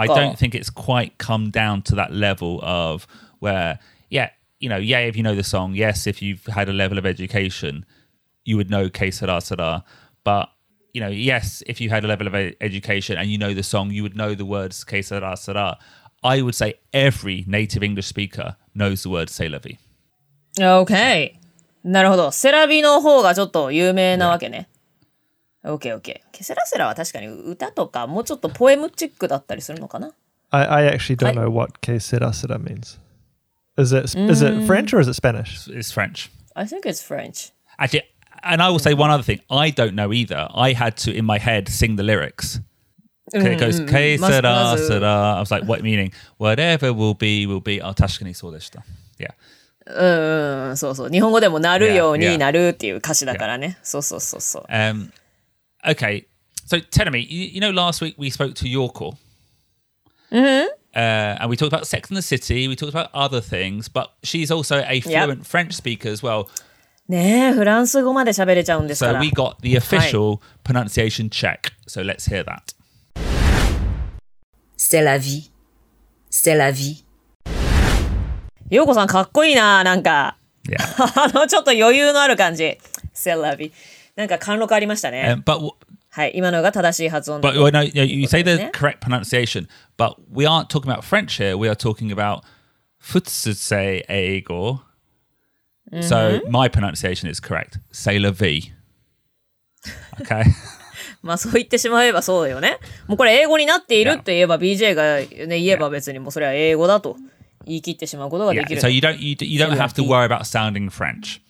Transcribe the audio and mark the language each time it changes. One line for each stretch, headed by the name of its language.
English: I don't think it's quite come down to that level of where, yeah, you know, yeah, if you know the song, yes, if you've had a level of education, you would know Que Sera Sera. But, you know, yes, if you had a level of education and you know the song, you would know the words Que Sera Sera. I would say every native English speaker knows the word C'est la vie. Okay.
Japanese: なるほど。セラビの方がちょっと有名なわけね。
English: Yeah. OK, OK.
Japanese: ケセラセラは確かに歌とかもうちょっとポエムチックだったりするのかな?
English: I actually don't know what ケセラセラ means. Is it French or is it Spanish? It's French. I think it's French. Actually, and I will say one other thing. I don't know either. I had to, in my head, sing the lyrics. It goes, ケセラセラ.I was like, what meaning? Whatever will be, will be.
Japanese: 確かにそうでした。
English: Yeah.
Japanese: そうそう。日本語でもなるようになるっていう歌詞だからね。そうそうそうそう。
English: Okay, so tell me, you know last week we spoke to Yorko? And we talked about Sex and the City, we talked about other things, but she's also a fluent、yep. French speaker as well.
Japanese: ねえ、フランス語まで喋れちゃうんですから。
English: So we got the official、はい、pronunciation check, so let's hear that.
French: C'est la vie. C'est la vie.
Japanese: Yorko さん、かっこいいな、なんか。
English: Yeah.
Japanese: あの、ちょっと余裕のある感じ。
French: C'est la vie.
Japanese: なんか貫禄ありましたね。はい、今のが正しい発音だ。
English: But no, you say the correct pronunciation, but we aren't talking about French here. We are talking about 普通せ英語。 So my pronunciation is correct. C'est la vie. Okay.
Japanese: まあそう言ってしまえばそうよね。もうこれ英語になっているって言えば、BJ がね言えば別にもうそれは英語だと言い切ってしまうことができる。
English: Yeah. So you don't have to worry about sounding French.